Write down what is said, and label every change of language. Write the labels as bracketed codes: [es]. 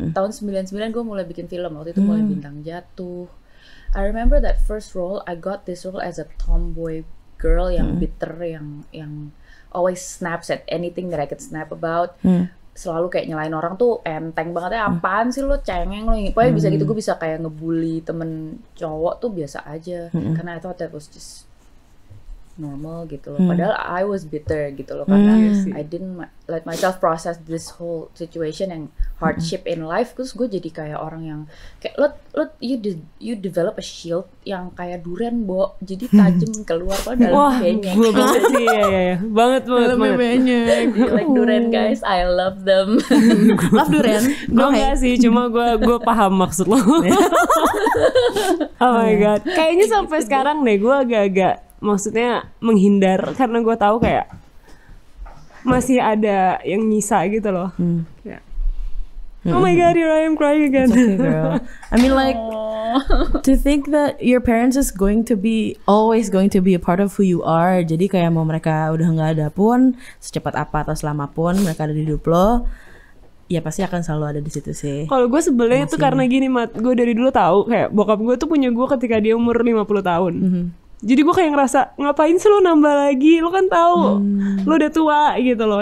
[id] Tahun 99 gue mulai bikin film, waktu itu mulai Bintang Jatuh. [en] I remember that first role, I got this role as a tomboy girl [id] yang [en] bitter, yang always snaps at anything that I could snap about. [id] Selalu kayak nyalain orang tuh enteng banget ya, apaan sih lo cengeng lo, pokoknya bisa gitu. Gue bisa kayak ngebully temen cowok tuh biasa aja, karena [en] I thought that was just normal [id] gitu loh. Padahal [en] I was bitter [id] gitu loh, karena [en] I didn't let myself process this whole situation and hardship in life. [id] Terus gue jadi kayak orang yang kayak [en] you develop a shield [id] yang kayak durian bo, jadi tajam keluar pada dalam benyek. Wah, gue banget sih, ya. banget. Benyek. [en] Like durian guys, I love them. Love durian? [id] Gue enggak sih, cuma gue paham maksud lo. [en] Oh my god, [id] kayaknya sampai sekarang deh gue agak-agak maksudnya menghindar, karena gue tahu kayak masih ada yang nyisa gitu loh. [en] Oh my god, here I am crying again. It's okay, girl. I mean, like, to think that your parents is going to be always going to be a part of who you are. [id] Jadi kayak mau mereka udah nggak ada pun, secepat apa atau selama pun mereka ada di hidup lo, ya pasti akan selalu ada di situ sih. Kalau gue sebelnya tuh karena gini, Mat, gue dari dulu tahu kayak bokap gue tuh punya gue ketika dia umur 50 tahun. Jadi gue kayak ngerasa, ngapain sih lo nambah lagi? Lo kan tahu, lo udah tua gitu loh.